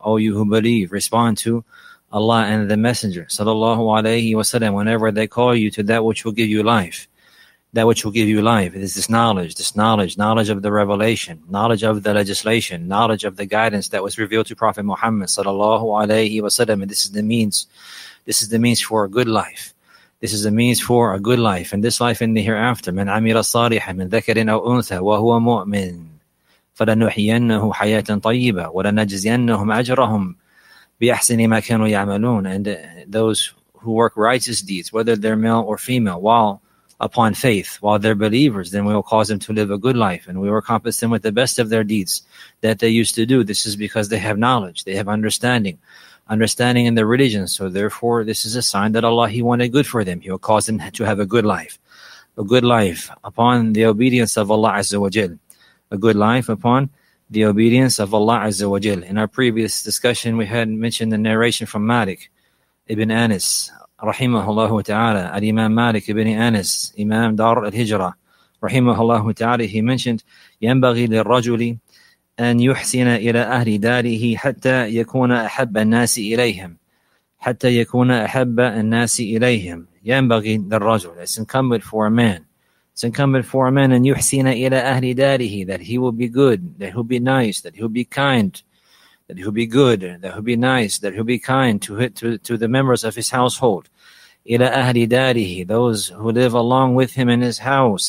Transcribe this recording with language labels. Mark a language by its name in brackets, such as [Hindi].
[English] O you who believe, respond to Allah and the Messenger sallallahu alayhi wa sallam whenever they call you to that which will give you life. That which will give you life is this knowledge of the revelation, knowledge of the legislation, knowledge of the guidance that was revealed to Prophet Muhammad sallallahu alayhi wa sallam. And this is the means for a good life. This is the means for a good life. And this life in the hereafter, [Arabic] من عمل صالحا من ذكر أو أنثى وهو مؤمن فلنحيينه حياة طيبة ولنجزينهم أجرهم بأحسن ما كانوا يعملون. [English] And those who work righteous deeds, whether they're male or female, while upon faith, while they're believers, then we will cause them to live a good life, and we will compass them with the best of their deeds that they used to do. This is because they have knowledge, they have understanding in the religion. So therefore, this is a sign that Allah, He wanted good for them. He will cause them to have a good life upon the obedience of Allah Azza wa Jal. A good life upon the obedience of Allah Azza wa Jal. In our previous discussion, we had mentioned the narration from Malik ibn Anas. [Arabic] رحمه الله تعالى الإمام مالك بن أنس إمام دار الهجرة رحمه الله تعالى. [English] He mentioned [Arabic] ينبغي للرجل أن يحسن إلى أهل داره حتى يكون أحب الناس إليهم حتى يكون أحب الناس إليهم. ينبغي للرجل, [English] it's incumbent for a man [Arabic] أن يحسن إلى أهل داره, [English] that he will be good, that he will be nice, that he will be kind, that he'll be good, that he'll be nice, that he'll be kind to the members of his household. [Arabic] إِلَى أَهْلِ دَارِهِ, [English] those who live along with him in his house.